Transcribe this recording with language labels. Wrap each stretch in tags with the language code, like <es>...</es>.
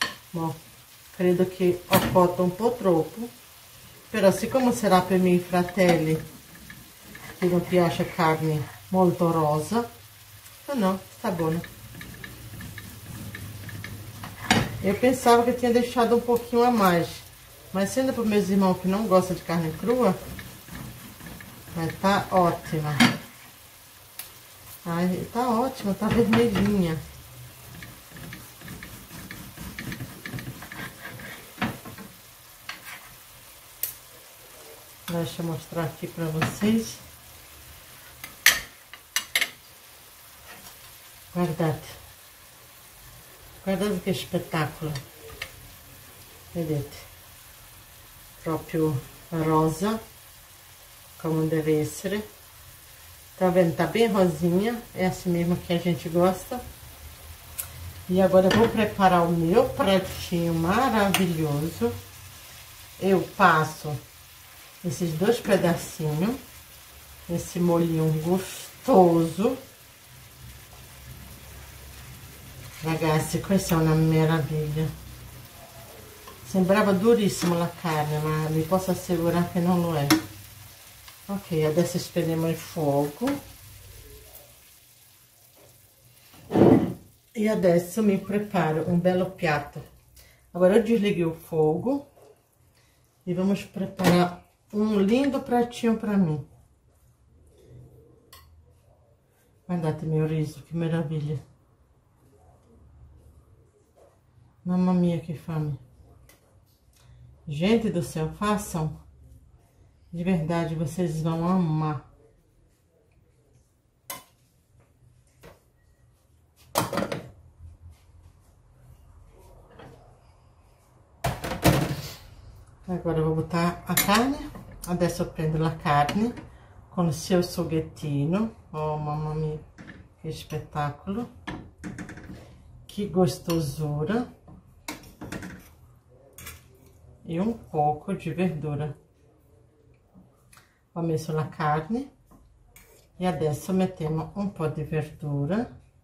<it>Bom, credo che ho cotto un po' troppo. Però, siccome sarà per i miei fratelli che non piace carne molto rosa, no, sta buono.</it> <pt>Eu pensava que tinha deixado um pouquinho a mais, mas sendo para os meus irmãos que não gostam de carne crua, mas tá ótima. Ai, tá ótima, tá vermelhinha. Deixa eu mostrar aqui para vocês.</pt> <it>Guardate. Guardate che spettacolo, vedete, proprio rosa, come deve essere,</it> <pt>tá vendo? Tá bem rosinha, è assim mesmo che a gente gosta. E agora eu vou preparar o meu pratinho maravilhoso. Eu passo esses dois pedacinhos, esse molhinho gostoso.</pt> <it>Ragazzi, questa è una meraviglia. Sembrava durissima la carne, ma vi posso assicurare che non lo è. Ok, adesso spegniamo il fuoco. E adesso mi preparo un bello piatto. Ora io disleghi il fuoco e vamos preparare un lindo pratinho per me. Guardate il mio riso, che meraviglia. Mamma mia, che fame.</it> <pt>Gente do céu, façam. De verdade, vocês vão amar. Agora eu vou botar a carne.</pt> <it>Adesso prendo la carne con il suo sughettino. Oh, mamma mia, che spettacolo! Che gustosura! E un poco di verdura. Ho messo la carne e adesso mettiamo un po' di verdura.</it>